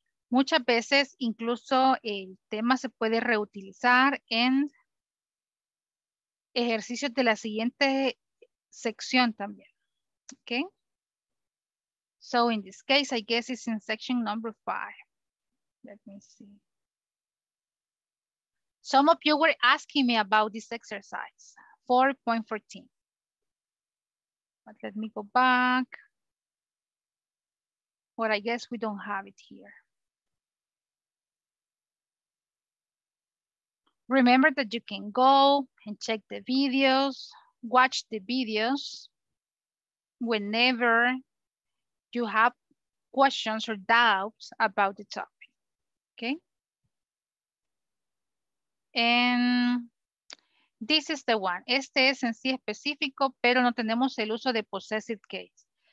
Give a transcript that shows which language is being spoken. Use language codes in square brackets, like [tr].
[es] Muchas veces incluso el tema se puede reutilizar en ejercicios de la siguiente sección también. [en] Okay. So in this case, I guess it's in section number 5. Let me see. Some of you were asking me about this exercise, 4.14. But let me go back. Well, I guess we don't have it here. Remember that you can go and check the videos, watch the videos whenever you have questions or doubts about the topic, okay? And this is the one. [es] Este es en sí específico, pero no tenemos el uso de possessive case.